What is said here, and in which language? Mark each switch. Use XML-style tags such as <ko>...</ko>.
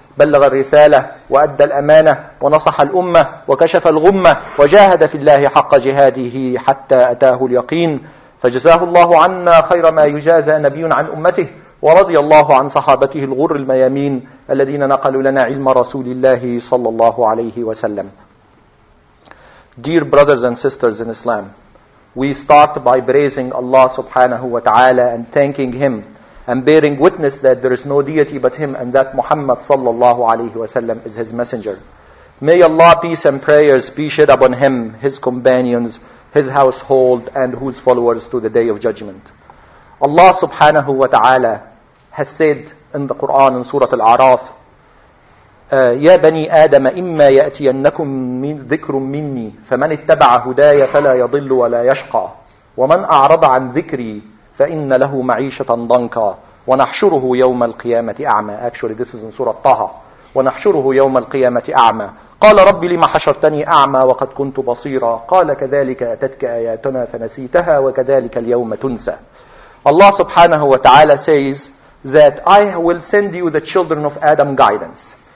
<ar>بلغ الرسالة، وأدى الأمانة، ونصح الأمة، وكشف الغمة، وجاهد في الله حق جهاده حتى أتاه اليقين. فجزاه الله عنا خير ما يجازى نبي عن أمته، ورضي الله عن صحابته الغر الميامين الذين نقلوا لنا علم رسول الله صلى الله عليه وسلم.</ar> <en>Dear brothers and sisters in Islam, we start by praising Allah subhanahu wa ta'ala and thanking Him and bearing witness that there is no deity but Him and that Muhammad sallallahu alayhi wa sallam is His messenger. May Allah peace and prayers be shed upon Him, His companions, His household and whose followers to the Day of Judgment. Allah subhanahu wa ta'ala has said in the Quran in Surah Al-A'raf,</en> <ar>يَا بَنِي آدَمَ إِمَّا يَأْتِيَنَّكُمْ مِنْ ذِكْرٌ مِّنِّي فَمَنِ اتَّبَعَ هُدَايَ فَلَا يَضِلُّ وَلَا يَشْقَى وَمَنْ أَعْرَضَ عَنْ ذِكْرِي فَإِنَّ لَهُ مَعِيشَةً ضَنْكَى وَنَحْشُرُهُ يَوْمَ الْقِيَامَةِ أَعْمَى.</ar> <en>Actually this is in Surah Taha.</en> <ar>وَنَحْشُرُهُ يَوْمَ الْقِيَامَةِ أَعْمَى. قَالَ رَبِّ لِمَ حَشَرْتَنِي أَعْمَى وَقَدْ كُنْتُ بَصِيرًا قَالَ كَذَلِكَ أَتَتْكَ آيَاتُنَا فَنَسِيتَهَا وَكَذَلِكَ الْيَوْمَ تُنْسَى.</ar> <en>Allah subhanahu wa ta'ala says that I will send you the children of Adam guidance.</en>